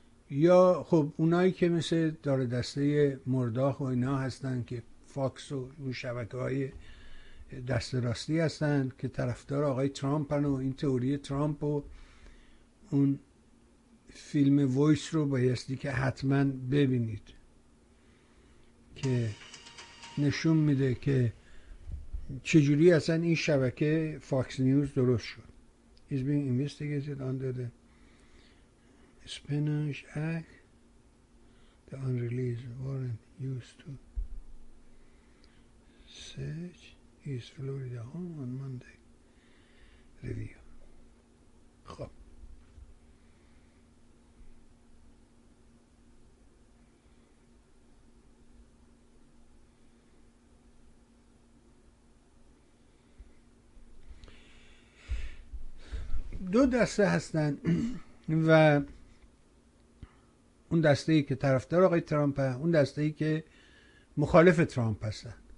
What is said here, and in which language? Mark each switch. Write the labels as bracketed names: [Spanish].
[Persian] یا خب اونایی که مثل دار دسته مرداخ و اینا هستن که فاکس و اون شبکه های دست راستی هستن که طرفدار آقای ترامپ هن و این تئوری ترامپ و اون فیلم وایس رو بایستی که حتما ببینید که نشون میده که چجوری اصلا این شبکه فاکس نیوز درست شد. [English] He's being investigated under the Espionage Act, the unreleased warrant used to search his Florida home on Monday review. [Persian] خب دو دسته هستن و اون دسته ای که طرفدار آقای ترامپ هستن، اون دسته ای که مخالف ترامپ هستن.